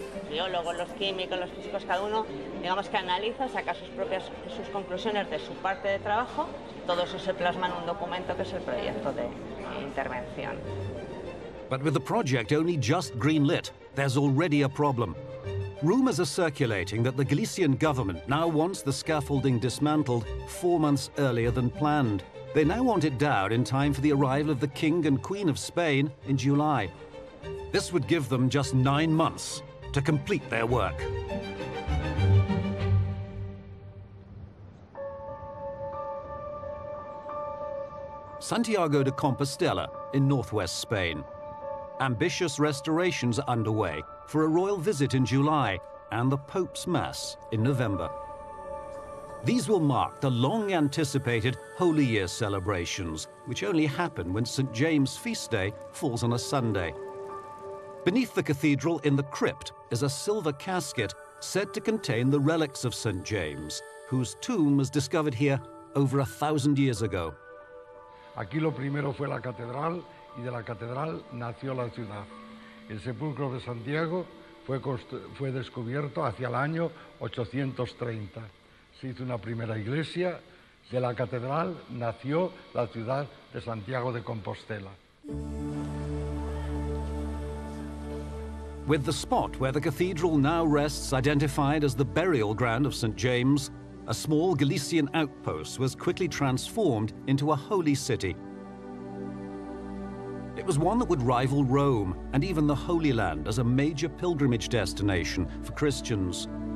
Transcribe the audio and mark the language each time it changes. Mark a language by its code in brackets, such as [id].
[es] Biólogos, los químicos, los físicos, cada uno, digamos que analiza, saca sus propias sus conclusiones de su parte de trabajo. Todo eso se plasma en un documento que es el proyecto de intervención. [en] But with the project only just greenlit, there's already a problem. Rumors are circulating that the Galician government now wants the scaffolding dismantled 4 months earlier than planned. They now want it down in time for the arrival of the King and Queen of Spain in July. This would give them just 9 months to complete their work. Santiago de Compostela in northwest Spain. Ambitious restorations are underway for a royal visit in July and the Pope's Mass in November. These will mark the long-anticipated Holy Year celebrations, which only happen when St. James' feast day falls on a Sunday. Beneath the cathedral in the crypt is a silver casket said to contain the relics of St. James, whose tomb was discovered here over 1,000 years ago. [es] Aquí lo primero fue la catedral, y de la catedral nació la ciudad. El sepulcro de Santiago fue descubierto hacia el año 830. Se hizo una primera iglesia, de la catedral nació la ciudad de Santiago de Compostela. [en] With the spot where the cathedral now rests identified as the burial ground of St. James, a small Galician outpost was quickly transformed into a holy city. It was one that would rival Rome and even the Holy Land as a major pilgrimage destination for Christians.